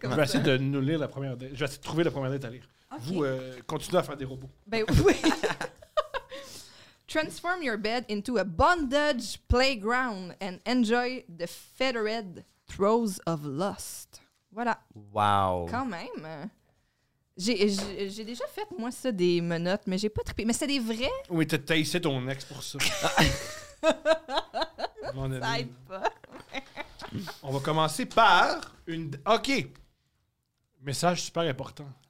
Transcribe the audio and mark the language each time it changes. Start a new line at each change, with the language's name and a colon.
French: Je vais essayer de nous lire la première date. Je vais essayer de trouver la première date à lire. Okay. Vous, continuez à faire des robots. Ben oui.
English: transform your bed into a bondage playground and enjoy the fettered throes of lust.
French: Voilà. Wow. Quand même. J'ai déjà fait, moi, ça, des menottes, mais j'ai pas trippé. Mais c'est des vrais. Oui, t'as taillé ton ex pour ça. Mon ami. Ça aide pas. On va commencer par une... OK. Message super important.